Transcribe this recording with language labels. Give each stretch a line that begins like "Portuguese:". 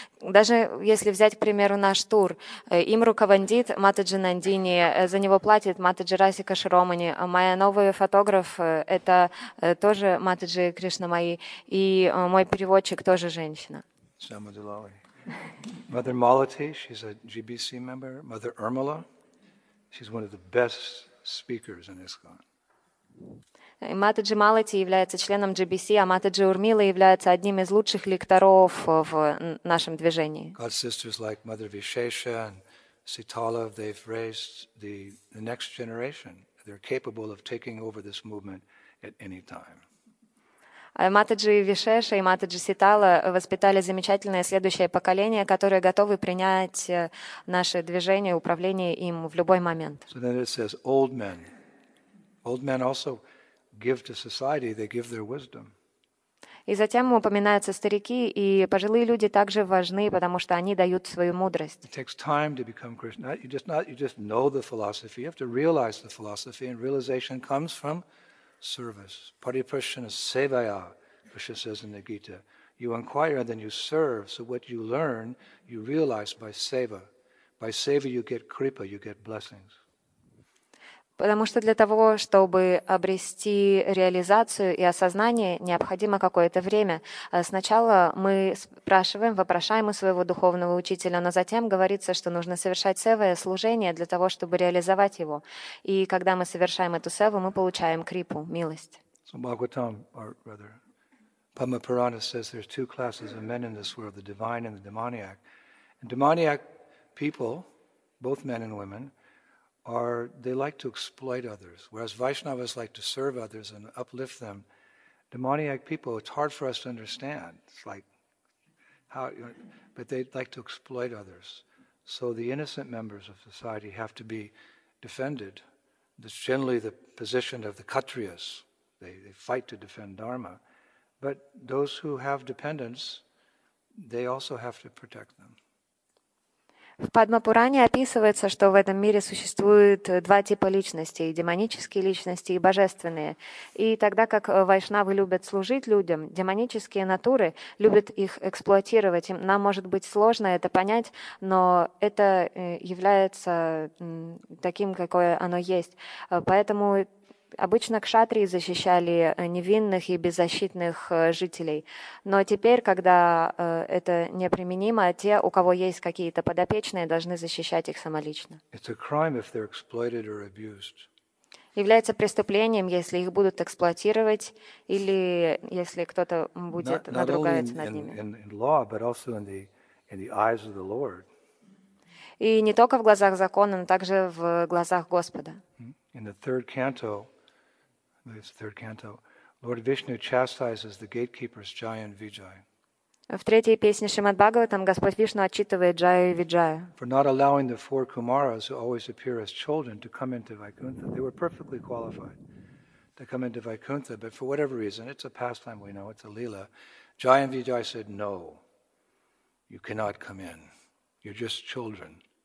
Russian: Даже если взять, к примеру, наш тур, Имрука Вандит, Матаджи Нандини, за него платит Матаджи Расика Широмани, моя новая фотограф, это тоже Матаджи Кришнамаи, и мой переводчик тоже женщина.
English: Шама Дулали. Mother Malati, she's a GBC member. Mother Irmala, she's one of the best speakers in ISKCON.
Russian: Матаджи Малати является членом GBC, а Матаджи Урмила является одним из лучших лекторов в нашем движении.
English: God sisters like Mother Vishesha and Sitala, they've raised the next generation. They're capable of taking over this movement at any time.
Russian: Матаджи Вишеша и Матаджи Ситала воспитали замечательное следующее поколение, которое готово принять наше движение, управление им в любой момент.
English: So then it says old men. Old men also give to society, they give their wisdom.
Russian: И затем упоминаются старики, и пожилые люди также важны, потому что они дают свою мудрость.
English: It takes time to become Krishna. You just know the philosophy. You have to realize the philosophy, and realization comes from service.
Sanskrit: Paripurshana sevaya,
English: Krishna says in the Gita. You inquire, and then you serve. So what you learn, you realize by seva. By seva, you get kripa, you get blessings.
Russian: Потому что для того, чтобы обрести реализацию и осознание, необходимо какое-то время. Сначала мы спрашиваем, вопрошаем у своего духовного учителя, но затем говорится, что нужно совершать севое служение для того, чтобы реализовать его. И когда мы совершаем эту севу, мы получаем крипу, милость.
English: So Bhagavatam, or rather, Padma Purana says there's two classes of men in this world, the divine and the demoniac. And demoniac people, both men and women, are they like to exploit others, whereas Vaishnavas like to serve others and uplift them. Demoniac people, it's hard for us to understand. It's like how, but they like to exploit others. So the innocent members of society have to be defended. That's generally the position of the Kshatriyas. They fight to defend Dharma. But those who have dependents, they also have to protect them.
Russian: В Падмапуране описывается, что в этом мире существует два типа личностей, демонические личности и божественные. И тогда как вайшнавы любят служить людям, демонические натуры любят их эксплуатировать. Нам может быть сложно это понять, но это является таким, какое оно есть. Поэтому обычно кшатрии защищали невинных и беззащитных жителей. Но теперь, когда это неприменимо, те, у кого есть какие-то подопечные, должны защищать их самолично.
English: It's a crime if they're exploited or abused.
Russian: Является преступлением, если их будут эксплуатировать или если кто-то будет надругаться над ними.
English: In law, but also in the eyes of the Lord.
Russian: И не только в глазах закона, но также в глазах Господа.
English: In the third canto, this third canto, Lord Vishnu chastises the gatekeepers Jaya and Vijaya.
Russian: В третьей песне Шримад Бхагаватам Господь Вишну отчитывает Джаю и Виджаю.
English: For not allowing the four Kumaras who always appear as children to come into Vaikuntha. They were perfectly qualified to come into Vaikuntha, but for whatever reason, it's a pastime, we know, it's a leela. Jaya and Vijaya said, no, you cannot come in. You're just children.